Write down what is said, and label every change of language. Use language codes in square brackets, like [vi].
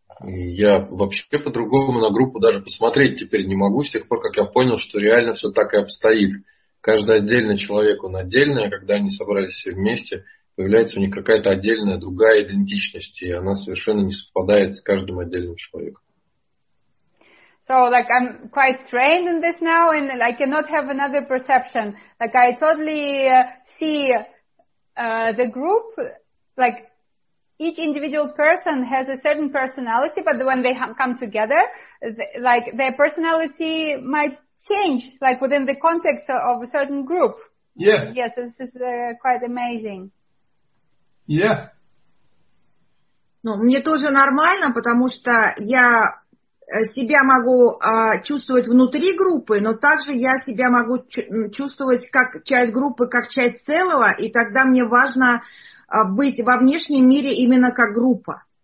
[ru] И я вообще по-другому на группу даже посмотреть теперь не могу, с тех пор, как я понял, что реально все так и обстоит. Каждый отдельный человек, он отдельный, а когда они собрались все вместе, появляется у них какая-то отдельная, другая идентичность, и она совершенно не совпадает с каждым отдельным человеком. [en] So, like, I'm quite trained in this now, and I cannot have another perception. Like, I totally see the group, like, each individual person has a certain personality, but when they come together, like, their personality might change, like, within the context of a certain group. Yeah. Yes, this is quite amazing. Yeah. [ru] Ну, мне тоже нормально, потому что я... себя могу чувствовать внутри группы, но также я себя могу чувствовать как часть группы, как часть целого, и тогда мне важно быть во внешнем мире именно как группа.